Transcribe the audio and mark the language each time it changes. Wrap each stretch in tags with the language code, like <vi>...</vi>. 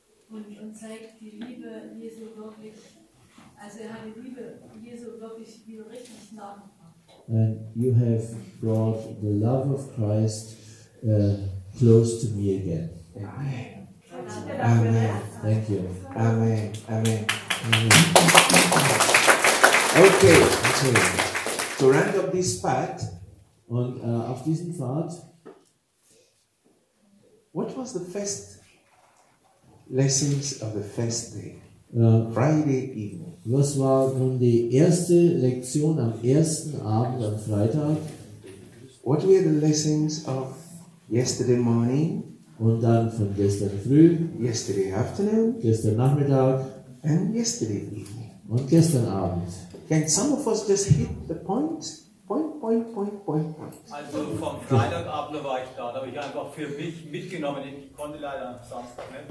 <de>Und zeigt die Liebe Jesu wirklich, also er hat die Liebe Jesu wirklich wieder richtig nachgebracht.</de> <en>And you have brought the love of Christ close to me again. Amen. Thank you. Amen. Amen. Amen. Okay, to round up this part,</en> <de>und auf diesem Pfad,</de> <en>what was the first lessons of the first day, Friday evening?</en> <de>Was war nun die erste Lektion am ersten Abend, am Freitag?</de> <en>What were the lessons of yesterday morning?</en> <de>Und dann von gestern früh,</de> <en>yesterday afternoon,</en> <de>gestern Nachmittag,</de> <en>and yesterday evening,</en> <de>und gestern Abend.</de> <en>Can some of us just hit the point? Point, point, point, point, point.</en> <de>Also vom Freitagabend war ich da, da habe ich einfach für mich mitgenommen, ich konnte leider am Samstag nicht.</de>